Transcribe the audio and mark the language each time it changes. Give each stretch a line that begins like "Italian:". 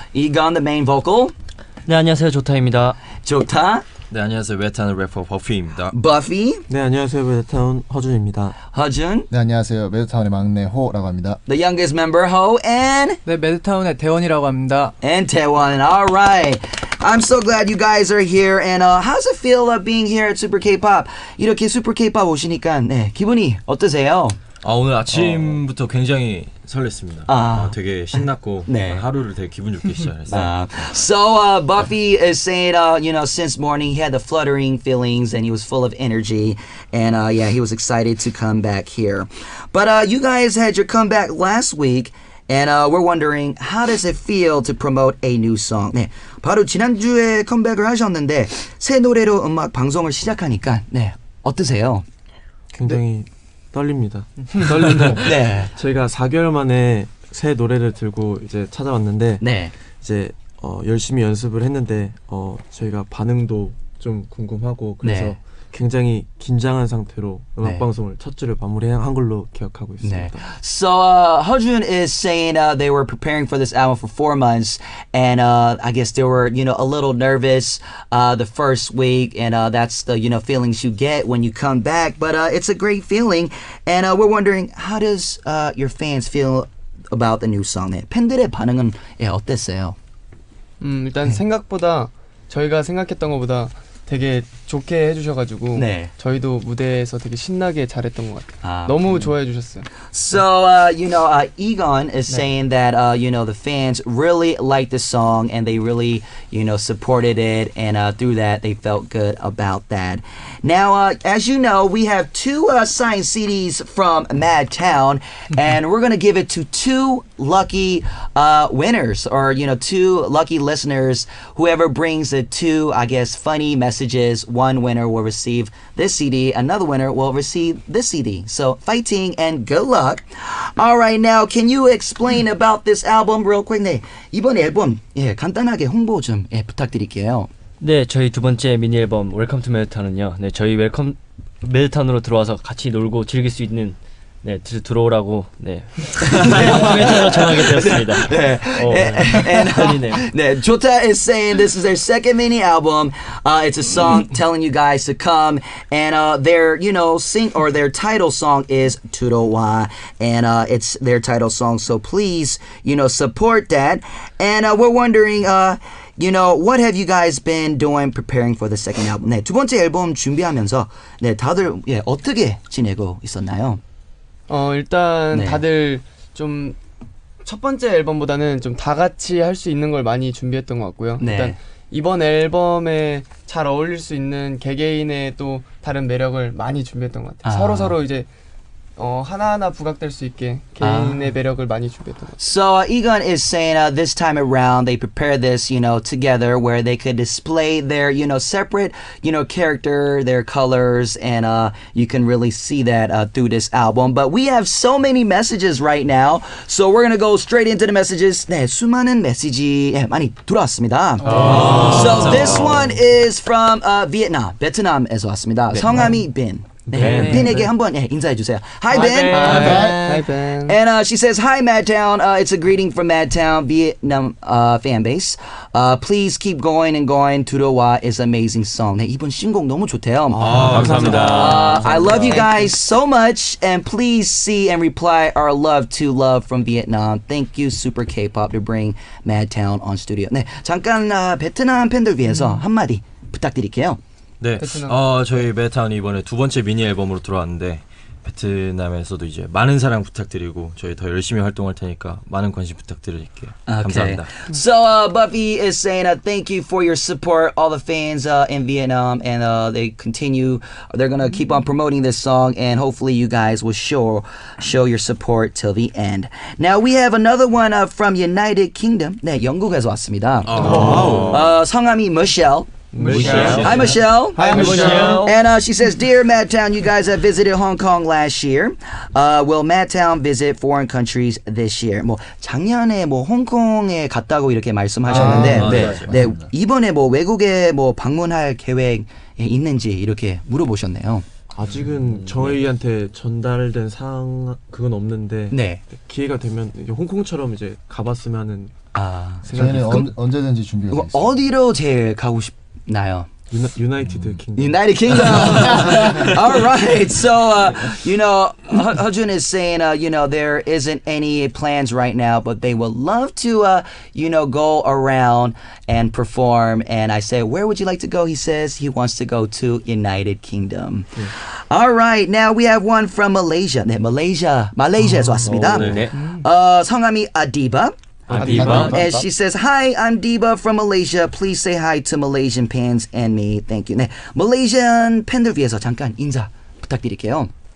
English: Egon, the main vocal.
Korean: 네, 안녕하세요. 조타입니다. 조타. 네, 안녕하세요. 매드타운 래퍼 버피입니다. 버피. 네, 안녕하세요. 매드타운 허준입니다. 허준. 네, 안녕하세요. 매드타운의 막내 호라고 합니다.
English: The youngest member, Ho, and
Korean: 네, 매드타운의 대원이라고 합니다.
English: And 대원. Alright. I'm so glad you guys are here, and how's it feel being here at Super K-Pop?
Korean: 이렇게 Super K-Pop 오시니까 네, 기분이 어떠세요? 아, 오늘 아침부터 굉장히 설렜습니다. 아, 되게 신났고 네. 하루를 되게 기분 좋게 시작했어요.
English: So Buffy is saying, you know, since morning he had the fluttering feelings and he was full of energy, and yeah, he was excited to come back here. But you guys had your comeback last week, and we're wondering, how does it feel to promote a new song?
Korean: 네, 바로 지난주에 컴백을 하셨는데 새 노래로 음악 방송을 시작하니까 네, 어떠세요? 굉장히 네. 떨립니다. 떨리고 네. 저희가 4개월 만에 새 노래를 들고 이제 찾아왔는데 네. 이제 열심히 연습을 했는데 저희가 반응도 좀 궁금하고 그래서 네. 굉장히 긴장한 상태로 음악 네. 방송을 첫 주를 마무리한 걸로 기억하고 있습니다. 네.
English: So, Hojun is saying they were preparing for this album for 4 months, and I guess they were, you know, a little nervous the first week, and that's the, you know, feelings you get when you come back. But it's a great feeling, and we're wondering how does your fans feel about the new song?
Korean: 네. 팬들의 반응은 예, 어땠어요? 일단 네. 생각보다 저희가 생각했던 것보다 되게 좋게 해주셔가지고 네. 저희도 무대에서 되게 신나게 잘했던 것 같아요. 아, 너무 좋아해 주셨어요.
English: So you know, Egon is 네. saying that you know the fans really liked the song and they really you know supported it and through that they felt good about that. Now as you know, we have two signed CDs from MADTOWN and we're gonna give it to two lucky winners or you know two lucky listeners. Whoever brings the two, I guess, funny messages. One winner will receive this CD, another winner will receive this CD. So fighting and good luck. All right, now can you explain about this album real quick?
Korean: 네, 이번 앨범 예, 간단하게 홍보 좀 예, 부탁드릴게요. 네, 저희 두 번째 미니 앨범 Welcome to MADTOWN은요. 네, 저희 웰컴 MADTOWN으로 들어와서 같이 놀고 즐길 수 있는 네, 들어오라고 네. 메타로 전하게 되었습니다. 네. 네. 어, 네. 네.
English: Jota is saying this is their second mini album. It's a song telling you guys to come and their, you know, sing or their title song is 들어와 and it's their title song. So please, you know, support that. And we're wondering you know, what have you guys been doing preparing for the second album?
Korean: 네, 두 번째 앨범 준비하면서 네, 다들 예, 어떻게 지내고 있었나요? 일단 네. 다들 좀 첫 번째 앨범보다는 좀 다 같이 할 수 있는 걸 많이 준비했던 것 같고요. 네. 일단 이번 앨범에 잘 어울릴 수 있는 개개인의 또 다른 매력을 많이 준비했던 것 같아요. 아. 서로 이제 하나하나 부각될 수 있게 개인의 매력을 많이 준비했던 것 같아요.
English: So Egon is saying this time around they prepared this, you know, together where they could display their, you know, separate, you know, character, their colors, and you can really see that through this album. But we have so many messages right now, so we're gonna go straight into the messages.
Korean: 네, 수많은 메시지 예, 많이 들어왔습니다.
English: Oh. So this one is from Vietnam,
Korean: 베트남에서 왔습니다. 성함이 빈.
English: Ben.
Korean: 네, 빈에게 한번 예, 인사해주세요.
English: Hi, Ben. Hi, Ben. And she says, Hi, MADTOWN. It's a greeting from MADTOWN Vietnam fan base. Please keep going and going. 들어와 is an amazing song.
Korean: 네, 이번 신곡 너무 좋대요. 아, 감사합니다.
English: I love you guys so much. And please see and reply our love to love from Vietnam. Thank you, Super K-pop, to bring MADTOWN on studio.
Korean: 네, 잠깐 베트남 팬들 위해서 한마디 부탁드릴게요. 네, 저희 MADTOWN이 이번에 두 번째 미니 앨범으로 들어왔는데 베트남에서도 이제 많은 사랑 부탁드리고 저희 더 열심히 활동할 테니까 많은 관심 부탁드릴게요.
English: Okay.
Korean: 감사합니다.
English: So Buffy is saying thank you for your support, all the fans in Vietnam, and they continue, they're gonna keep on promoting this song, and hopefully you guys will show your support till the end. Now we have another one from United Kingdom.
Korean: 네, 영국에서 왔습니다. 성함이 Michelle.
English: Michelle. Hi, Michelle. And she says, Dear MADTOWN, you guys have visited Hong Kong last year. Will MADTOWN visit foreign countries this year?
Korean: 뭐 작년에 뭐 홍콩에 갔다고 이렇게 말씀하셨는데 아, 네, 네, 이번에 뭐 외국에 뭐 방문할 계획 있는지 이렇게 물어보셨네요. 아직은 저희한테 전달된 사항 그건 없는데 네. 기회가 되면 홍콩처럼 이제 가봤으면 하는 저희는 언제든지 준비가 돼 있어요. 어디로 제일 가고 싶 나요.
English: United Kingdom. All right. So, you know, Hojun is saying, you know, there isn't any plans right now, but they would love to, you know, go around and perform. And I say, where would you like to go? He says he wants to go to United Kingdom. Yeah. All right. Now we have one from Malaysia.
Korean: 네, 말레이시아에서 왔습니다. 성함이 Adiba.
English: Adiba. And she says, Hi, I'm Diba from Malaysia. Please say hi to Malaysian fans and me. Thank you.
Korean: 네, 말레이시안 팬들 위해서 잠깐 인사 부탁드릴게요.